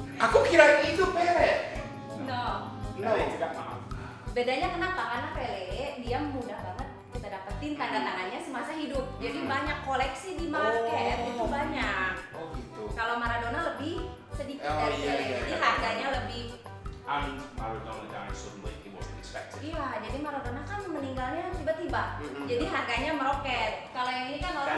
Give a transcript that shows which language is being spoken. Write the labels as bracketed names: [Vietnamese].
[Indonesian] Aku kira itu pele. [English] No. No. [Indonesian] Bedanya kenapa? Karena pele dia mudah banget kita dapetin tanda tangannya semasa hidup. Jadi banyak koleksi di market itu banyak. Oh gitu. Kalau Maradona lebih sedikit dari pele. Jadi harganya lebih. [English] And Maradona died suddenly, it wasn't expected. [Indonesian] Iya, jadi Maradona kan meninggalnya tiba-tiba. Mm-hmm. Jadi harganya meroket. Kalau yang ini kan orang